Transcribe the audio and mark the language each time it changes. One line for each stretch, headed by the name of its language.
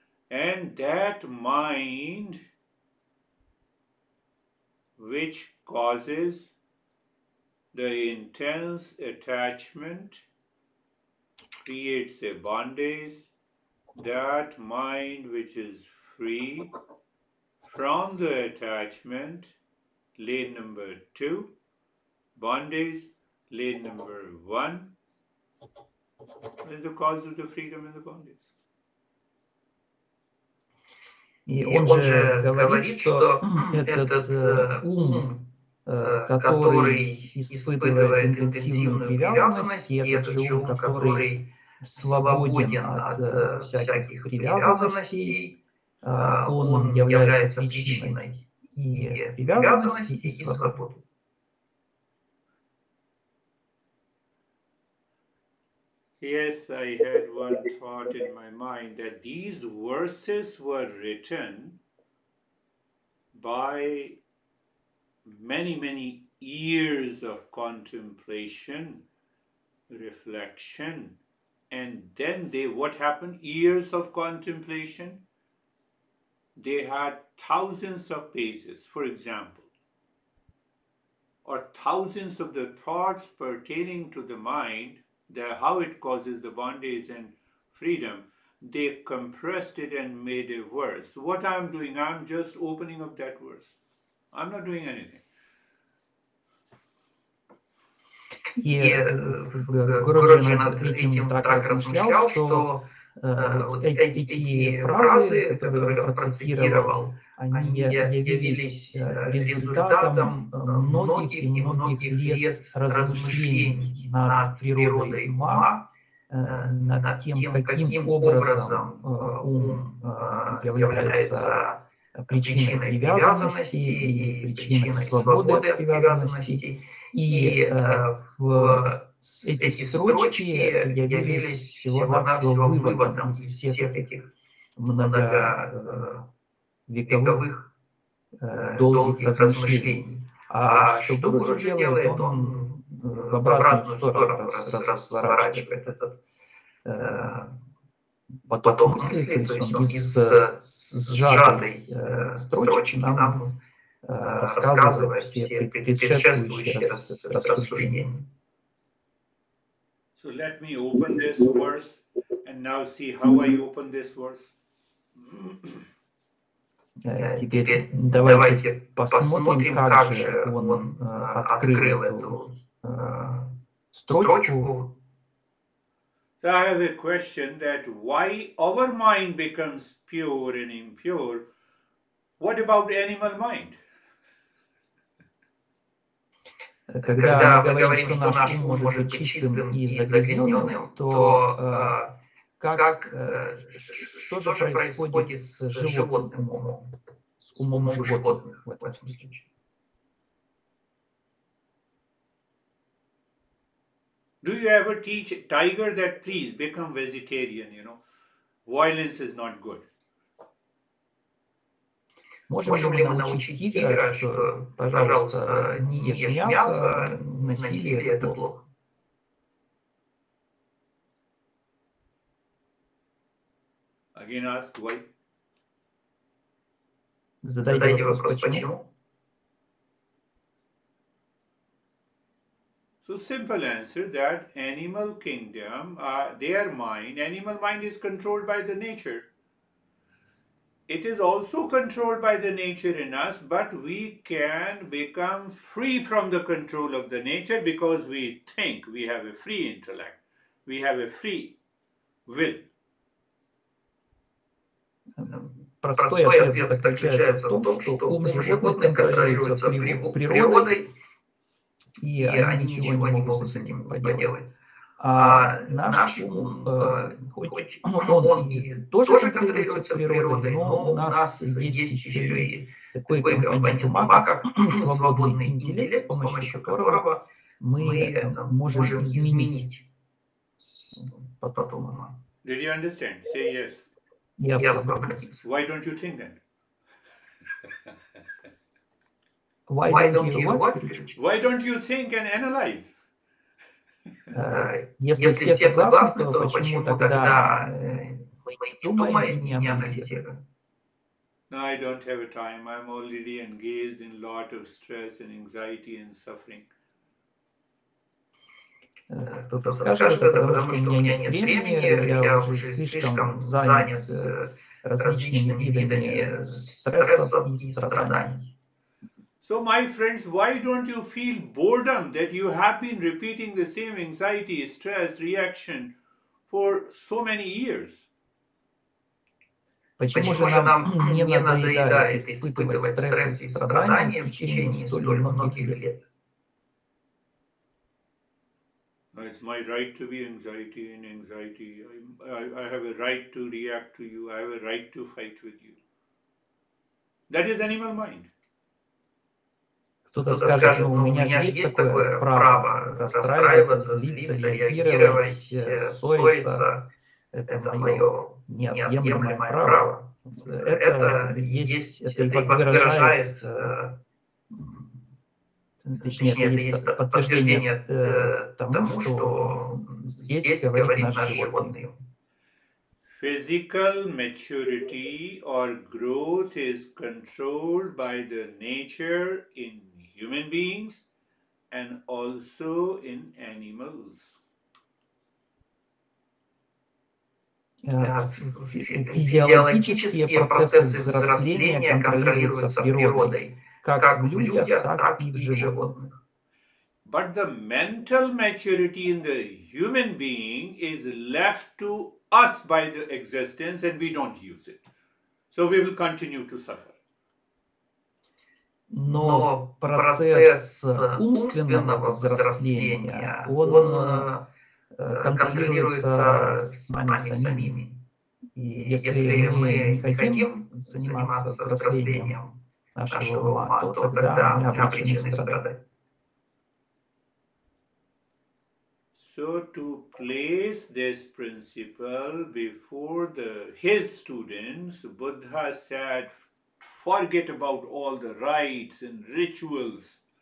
English: And that mind which causes the intense attachment creates a bondage, that mind which is free from the attachment, lane number two, bondage, lane number one, is the cause of the freedom and the bondage.
Russian: И он же говорит, что этот ум который испытывает интенсивную привязанность, и этот живун, который свободен от всяких привязанностей, он является причиной и привязанности, и свободы.
English: Yes, I had one thought in my mind that these verses were written by many, many years of contemplation, reflection, and then they, what happened? Years of contemplation, they had thousands of pages, for example, or thousands of the thoughts pertaining to the mind, the, how it causes the bondage and freedom, they compressed it and made a verse. What I'm doing, I'm just opening up that verse. I'm not doing anything.
Russian: И Грожин над этим так размышлял, что эти фразы, которые я процитировал, они явились результатом многих и многих лет размышлений над природой ума, над тем, каким образом ум является причиной привязанности и причиной свободы от привязанности. И в эти срочки явились всего-навсего выводом из всех этих многовековых долгих размышлений. А что Гуру же делает, он в обратную сторону разворачивает этот поток мыслей, то есть он из сжатой строчки нам
English: So let me open this verse and now see how I open this verse.
Russian: Теперь давайте посмотрим, как же он открыл эту строчку.
English: So I have a question that why our mind becomes pure and impure? What about the animal mind?
Russian: Когда, когда мы говорим, что наш ум может быть чистым и загрязненным, то как, что же происходит с животным умом, с умом животных в этом случае?
English: Do you ever teach tiger that please become vegetarian, you know? Violence is not good.
Russian: Можем ли мы научить тигра, что, пожалуйста, не ешь мясо, насилие – это плохо?
English: Again ask why?
Russian: Задайте вопрос, почему?
English: So simple answer that animal kingdom, their mind, animal mind is controlled by the nature. It is also controlled by the nature in us, but we can become free from the control of the nature because we think we have a free intellect, we have a free will.
Russian: Простой ответ заключается в том, что ум животных контролируется природой, и они ничего не могут с этим поделать. А наш ум, он тоже контролируется природой, но у нас есть еще и такой компонент ума, как свободный интеллект, с помощью которого мы можем изменить поток ума.
English: Did you understand? Say yes.
Russian: Я спрашиваю.
English: Why don't you think then? Why don't you what? Why don't you think and analyze?
Russian: Если все согласны, то почему тогда мы думаем и не анализируем?
English: No, I don't have a time. I'm already engaged in a lot of stress and anxiety and suffering.
Russian: Кто-то скажет, что это потому, что у меня нет времени, я уже слишком занят различными видами стрессов и страданий.
English: So my friends, why don't you feel boredom that you have been repeating the same anxiety, stress, reaction for so many years?
Russian: Почему же нам не надоедает испытывать стресс и страдания в течение столь многих лет?
English: It's my right to be anxiety and anxiety. I have a right to react to you. I have a right to fight with you. That is animal mind.
Russian: Кто-то скажет, ну, у меня же есть такое право расстраиваться, злиться, реагировать, ссориться. Это мое неотъемлемое право. Это есть, это и выражает... Точнее, это есть подтверждение тому, что здесь говорит наш животный.
English: Physical maturity or growth is controlled by the nature in human beings and also in animals.
Russian: Физиологические процессы взросления контролируются природой, как в людях, так и в животных.
English: But the mental maturity in the human being is left to us by the existence and we don't use it. So we will continue to suffer.
Russian: Но процесс умственного взросления, он контролируется с нами самими. И если мы не хотим заниматься взрослением нашего ума, то тогда мы обречены страдать.
English: So to place this principle before his students, Buddha said, forget about all the rites and rituals.